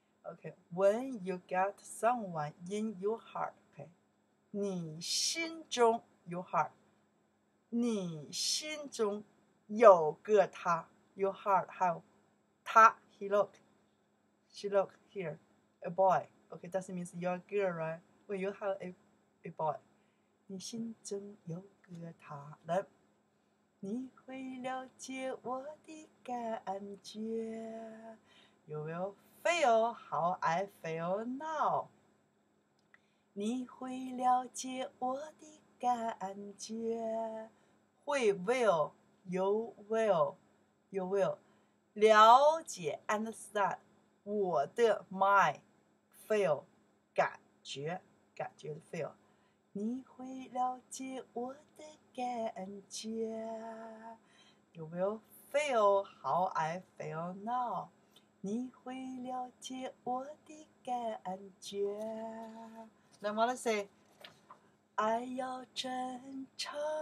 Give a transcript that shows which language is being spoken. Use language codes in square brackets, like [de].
[en] Okay, when you get someone in your heart, okay, 你心中 your heart, [zh] 你心中有个他 [en] your heart, 还有他 he look, she look here, a boy, okay, that means you're a girl, right? When you have a boy, [zh] 你心中有个他来，你会了解我的感觉 [en] you will. Feel how I feel now. [zh] 你会了解我的感觉。 [en] 会 will, you will, you will. 了解 understand 我的 my feel 感觉感觉的 feel. [zh] 你会了解我的感觉。 [en] You will feel how I feel now. [zh] 你会了解我的感觉。那么来 say, I 要真诚。